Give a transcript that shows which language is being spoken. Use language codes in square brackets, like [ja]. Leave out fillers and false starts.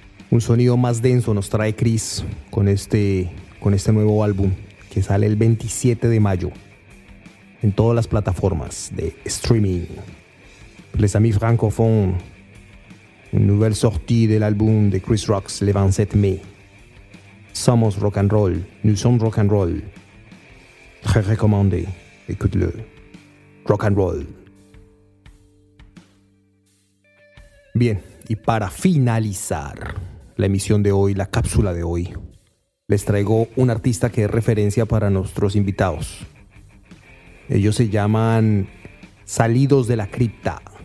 [es] Un sonido más denso nos trae Chris con este nuevo álbum que sale el 27 de mayo en todas las plataformas de streaming. [fr] Les amis francophones, une nouvelle sortie de l'album de Chris Rock's Le 27 mai. [es] Somos rock and roll, [fr] nous sommes rock and roll. Très recommandé, écoute-le. [en] Rock and roll. [es] Bien, y para finalizar la emisión de hoy, la cápsula de hoy, les traigo un artista que es referencia para nuestros invitados. Ellos se llaman Salidos de la Cripta.